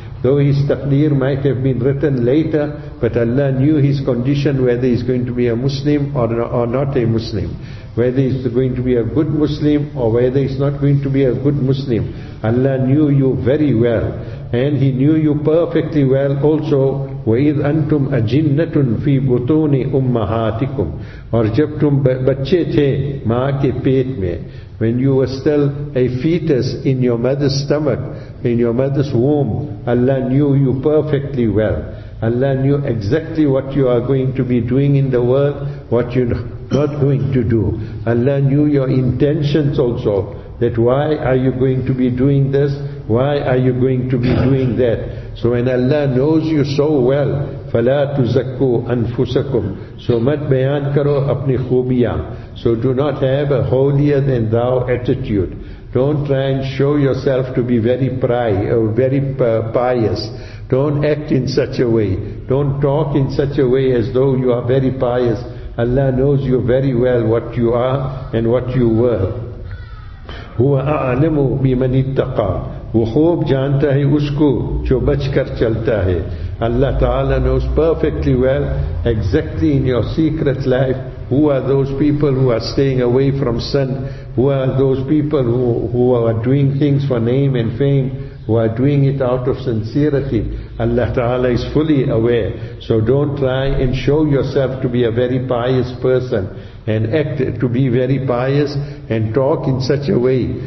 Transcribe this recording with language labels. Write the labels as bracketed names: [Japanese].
[English] Though his taqdeer might have been written later, but Allah knew his condition, whether he's going to be a Muslim or not a Muslim. Whether he's going to be a good Muslim or whether he's not going to be a good Muslim. Allah knew you very well. And He knew you perfectly well also. [Arabic] وَإِذْ أَنْتُمْ أَجِنَّةٌ فِي بُطُونِ أُمَّهَاتِكُمْ. [Urdu] اور جب تم بچے تھے ماں کے پیٹ میں. [English] When you were still a fetus in your mother's stomach, in your mother's womb, Allah knew you perfectly well. Allah knew exactly what you are going to be doing in the world, what you're not going to do. Allah knew your intentions also, that why are you going to be doing this, why are you going to be doing that. So when Allah knows you so well, [Arabic] فَلَا تُزَكُّوا أَنفُسَكُمْ. [Urdu] So مَتْ بَيَانْ كَرُوا أَبْنِ خُوبِيَانْ. [English] So do not have a holier-than-thou attitude. Don't try and show yourself to be very pious. Don't act in such a way. Don't talk in such a way as though you are very pious. Allah knows you very well what you are and what you were. [Arabic] هُوَ أَعْلَمُ بِمَنِ اتَّقَى. [Urdu] وہ خوب جانتا ہے اس کو جو بچ کر چلتا ہے. [English] Allah Ta'ala knows perfectly well, exactly in your secret life, who are those people who are staying away from sin, who are those people who are doing things for name and fame, who are doing it out of sincerity. Allah Ta'ala is fully aware. So don't try and show yourself to be a very pious person and act to be very pious and talk in such a way.